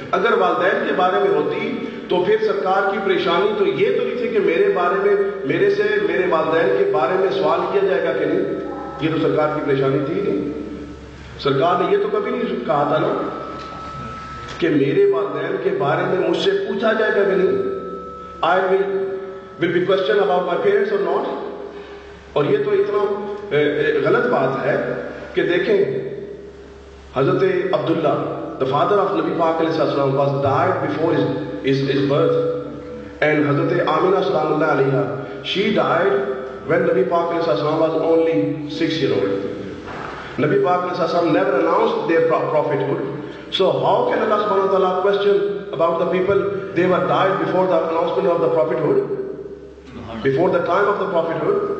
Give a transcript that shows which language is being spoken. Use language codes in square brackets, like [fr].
[ur] اگر والدین کے بارے میں ہوتی تو پھر سرکار کی پریشانی تو یہ تو نہیں تھی کہ میرے بارے میں, میرے سے میرے والدین کے بارے میں سوال کیا جائے گا کہ نہیں. یہ تو سرکار کی پریشانی تھی نہیں. سرکار نے یہ تو کبھی نہیں کہا تھا نا کہ میرے والدین کے بارے میں مجھ سے پوچھا جائے گا کہ نہیں. [en] I will be questioned about my parents or not. [ur] اور یہ تو اتنا غلط بات ہے کہ دیکھیں حضرت عبداللہ [en] the father of [ur] نبی پاک علیہ السلام [en] was died before his birth. And Hazrat Amina sallallahu alaiha, she died when Nabi Pak was only 6 years old. Nabi Pak never announced their prophethood. So how can Allah subhanahu wa ta'ala question about the people? They were died before the announcement of the prophethood. Before the time of the prophethood.